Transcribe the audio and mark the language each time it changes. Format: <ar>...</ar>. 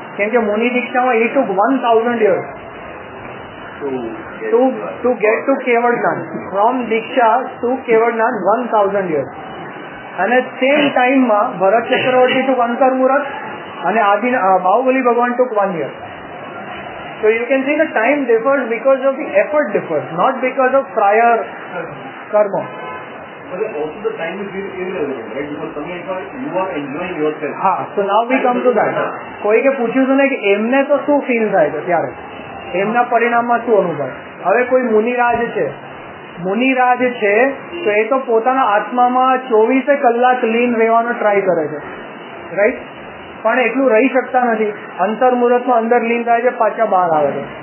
<gu>કેમ કે મુનિ દીક્ષામાં</gu> <en>it took 1000 years to get to</en> <gu>કેવળનાન from Diksha two કેવળનાન 1000 years અને સેમ ટાઈમમાં ભરત ચક્રવર્તી ટુક અંતર્મુરત અને આદિ બાહુબલી ભગવાન ટુક 1 year.</gu> <en>So you can see the time differs because of the effort differs, not because of prior karma. But also the time is irrelevant, right? Because you are enjoying yourself. So now we come to that.</en> <gu>કોઈ કે પૂછ્યું હતું ને કે એમને તો શું feel થાય છે ત્યારે, એમના પરિણામમાં શું અનુભવ. હવે કોઈ મુનિરાજ છે, મુનિરાજ છે તો એ તો પોતાના આત્મામાં 24 કલાક લીન રહેવાનો ટ્રાય કરે છે, રાઈટ? પણ એટલું રહી શકતા નથી. અંતર્મુરત માં અંદર લીન થાય છે, પાછા બહાર આવે છે.</gu>